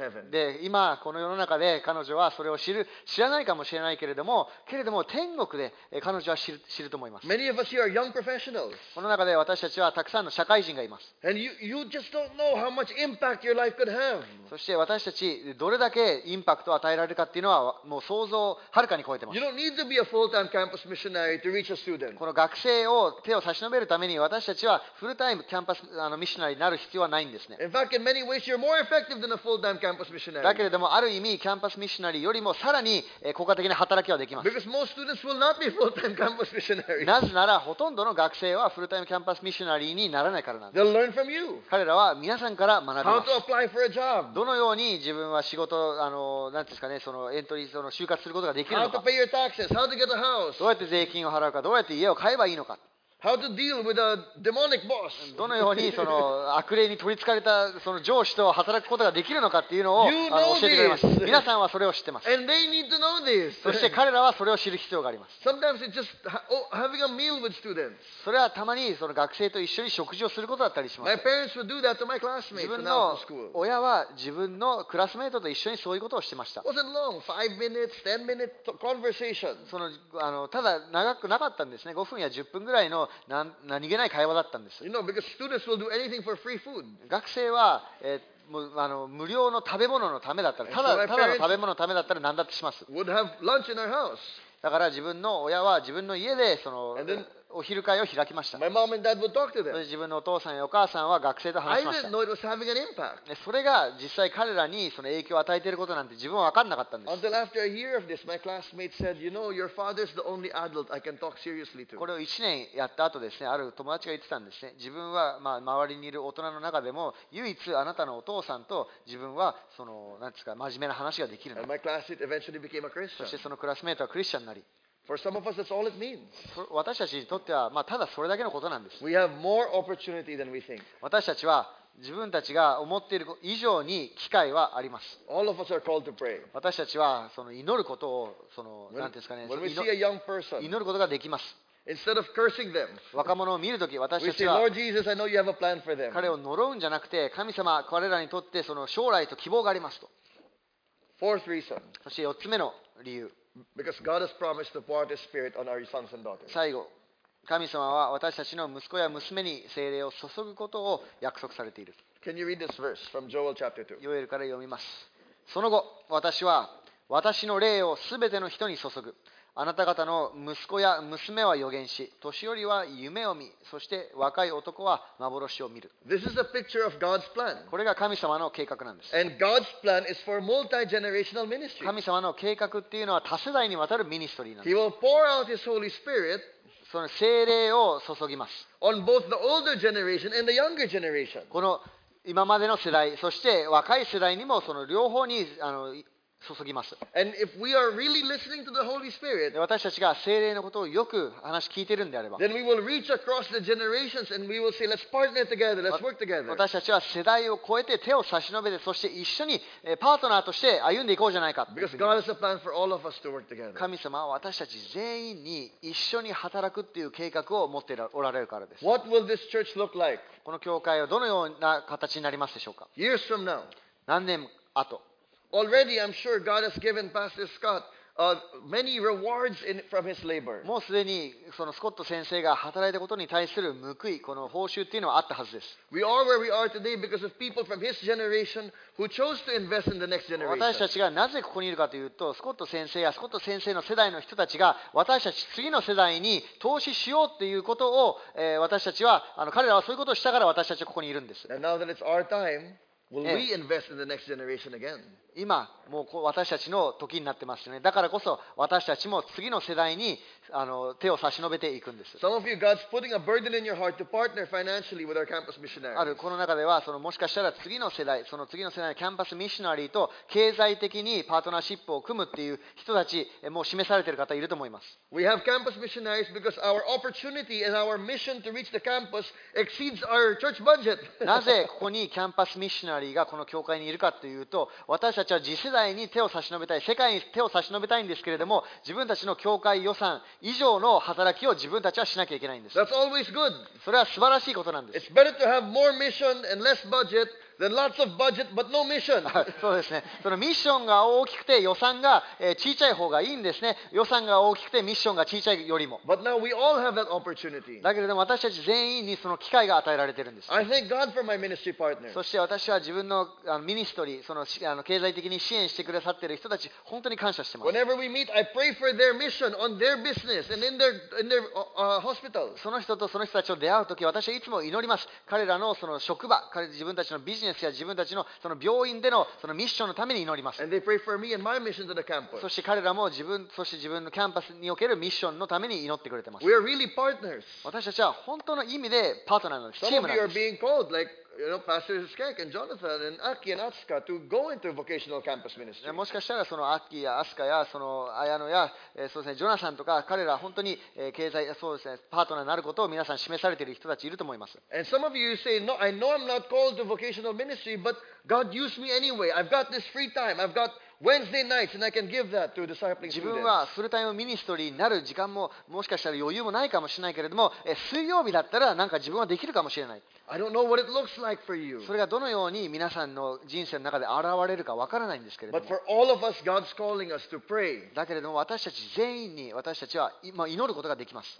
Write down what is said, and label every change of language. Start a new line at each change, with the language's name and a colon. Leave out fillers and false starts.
Japanese: で、今この世の中で彼女はそれを知らないかもしれないけれども、天国で彼女は知ると思います。
English: Many of us here are young professionals.
Japanese: この中で私たちはたくさんの社会人がいます。
English: And you just don't know how much impact your life could have.
Japanese: そして私たちどれだけインパクトを与えられるかっていうのはもう想像をはるかに超えてます。
English: You don't need to be a full-time campus missionary to reach a student.
Japanese: この学生を手を差し伸べるために私たちはフルタイムキャンパスミッショナリーになる必要はないんですね。
English: In fact, in many ways, you're more effective than a full-time campus missionary.
Japanese: だけれどもある意味キャンパスミッショナリーよりもさらに効果的な働きはできます。
English: Because most students will not be full-time campus missionary.
Japanese: なぜならほとんどの学生はフルタイムキャンパスミッショナリーにならないからなんです。
English: They'll learn from you.
Japanese: 彼らは皆さんから学びます。
English: How to apply for a job.
Japanese: どのように自分は仕事なんですかね、そのエントリー、その就活することができるのか。
English: How to pay your taxes. How to get a house.
Japanese: どうやって税金を払うか、どうやって家を買えばいいのか。
English: How to deal with a demonic boss?
Japanese: どのようにその悪霊に取り憑かれたその上司と働くことができるのかっていうのを教えてくれます。皆さんはそれを知ってます。
English: And they need to know this.
Japanese: そして彼らはそれを知る必要があります。
English: Sometimes it's just having a meal with students.
Japanese: それはたまにその学生と一緒に食事をすることだったりします。
English: My parents would do that to my classmates.
Japanese: 自分の親は自分のクラスメートと一緒にそういうことをしてました。
English: It wasn't long. 5 minutes, 10 minutes conversation.
Japanese: あのただ長くなかったんですね。5分や10分ぐらいの何気ない会話だったんです。
English: You know, because students will do anything for free food.
Japanese: 学生は、無料の食べ物のためだったら、ただの食べ物のためだったら何だってします。
English: Would have lunch in our house.
Japanese: だから自分の親は自分の家でその、
English: and then,
Japanese: お昼会を開きました。
English: My mom and dad would talk to them.
Japanese: 自分のお父さんやお母さんは学生と話しました。
English: I didn't know it was having an impact.
Japanese: それが実際彼らにその影響を与えていることなんて自分は分かんなかったんです。
English: Until after a year of this, my classmate said, "You know, your father's the only adult I can talk seriously to."
Japanese: これを1年やった後ですね、ある友達が言ってたんですね。自分はまあ周りにいる大人の中でも唯一あなたのお父さんと自分はその何ですか真面目な話ができるんだ。
English: And my classmate eventually became a Christian.
Japanese: そしてそのクラスメートはクリスチャンになり。
English: For some of us, that's all it means.
Japanese: 私たちにとっては、まあ、ただそれだけのことなんです。
English: We have more opportunity than we think.
Japanese: 私たちは自分たちが思っている以上に機会はあります。
English: All of us are called to pray.
Japanese: 私たちはその祈ることをその何て言うんですかね、
English: when we see a young person,
Japanese: 祈ることができます。
English: Instead of cursing them,
Japanese: 若者を見るとき、私たちは
English: Lord Jesus, I know you have a plan for them.
Japanese: 彼を呪うんじゃなくて、神様、彼らにとってその将来と希望がありますと。
English: Fourth reason.
Japanese: そして四つ目の理由。
English: Because God has promised to pour out His Spirit on our sons and daughters.
Japanese: 最後、神様は私たちの息子や娘に聖霊を注ぐことを約束されている。
English: Can you read this verse from Joel chapter 2?
Japanese: ヨエルから読みます。その後、私は私の霊をすべての人に注ぐ。あなた方の息子や娘は預言し、年寄りは夢を見、そして若い男は幻を見る。
English: This is a picture of God's plan.
Japanese: これが神様の計画なんです。
English: And God's plan is for multi-generational ministry.
Japanese: 神様の計画っていうのは多世代にわたるミニストリーなんです。
English: He will pour out His Holy Spirit.
Japanese: その聖霊を注ぎます。
English: On both the older generation and the younger generation.
Japanese: この今までの世代、そして若い世代にもその両方に注ぎます。
English: And if we are really listening to the Holy Spirit,
Japanese: 私たちが聖霊のことをよく話聞いているんであれば、
English: then we will reach across the generations and we will say, let's partner together, let's work together.
Japanese: 私たちは世代を超えて手を差し伸べて、そして一緒にパートナーとして歩んでいこうじゃないか。
English: Because God has a plan for all of us to work together.
Japanese: 神様は私たち全員に一緒に働くっていう計画を持っておられるからです。
English: What will this church look like?
Japanese: この教会はどのような形になりますでしょうか。
English: Years from now.
Japanese: 何年後。
English: Already, I'm sure God has given Pastor Scott many rewards from his labor.
Japanese: もうすでにそのスコット先生が働いたことに対する報い、この報酬っていうのはあったはずです。
English: We are where we are today because of people from his generation who chose to invest in the next generation.
Japanese: 私たちがなぜここにいるかというと、スコット先生やスコット先生の世代の人たちが私たち次の世代に投資しようっていうことを、私たちは彼らはそういうことをしたから私たちはここにいるんです。
English: And now that it's our time. Will we invest in the next generation again?
Japanese: 今もう私たちの時になってますよね。だからこそ私たちも次の世代に手を差し伸べていくんです。
English: Some of you, God's putting a burden in your heart to partner financially with our campus missionaries.
Japanese: あるこの中ではそのもしかしたら次の世代、その次の世代のキャンパスミッショナリーと経済的にパートナーシップを組むっていう人たちもう示されている方いると思います。
English: We have campus missionaries because our opportunity and our mission to reach the campus exceeds our church budget.
Japanese: なぜここにキャンパスミッショナリーがこの教会にいるかというと、私たちは次世代に手を差し伸べたい、世界に手を差し伸べたいんですけれども、自分たちの教会予算以上の働きを自分たちはしなきゃいけないんです。
English: That's always good.
Japanese: それは素晴らしいことなんです。
English: It's better to have more mission and less budget than lots of budget but no mission.
Japanese: そうですね。そのミッションが大きくて予算が小さい方がいいんですね。予算が大きくてミッションが小さいよりも。
English: But now we all have that opportunity.
Japanese: だけれども私たち全員にその機会が与えられているんです。
English: I thank God for my ministry partner.
Japanese: そして私は自分のミニストリー、その経済的に支援してくださっている人たち、本当に感謝しています。
English: Whenever we meet, I pray for their mission on their business and in their hospital.
Japanese: その人とその人たちを出会うとき、私はいつも祈ります。彼らのその職場、自分たちのビジネス、自分たちのその病院でのそのミッションのために祈ります。
English: And they pray for me and my mission to the campus.
Japanese: そして彼らも自分、そして自分のキャンパスにおけるミッションのために祈ってくれてます。
English: We are really partners.
Japanese: 私たちは本当の意味でパートナーなんです。
English: Some of you are being called like you know, Pastor Skank and Jonathan and Aki and Atsuka to go into vocational campus ministry.
Japanese: もしかしたらそのアッキーやアスカやその綾野や、そうですね、ジョナサンとか彼ら本当に、経済、そうですね、パートナーになることを皆さん示されている人たちいると思います。
English: And some of you say, no, I know I'm not called to vocational ministry, but God used me anyway. I've got this free time. I've got Wednesday nights, and I can give that to discipling students.
Japanese: 自分はフルタイムミニストリーになる時間ももしかしたら余裕もないかもしれないけれども、水曜日だったらなんか自分はできるかもしれない。
English: I don't know what it looks like for you.
Japanese: それがどのように皆さんの人生の中で現れるかわからないんですけれども。
English: But for all of us, God's calling us to pray.
Japanese: だけれども私たち全員に私たちは祈ることができます。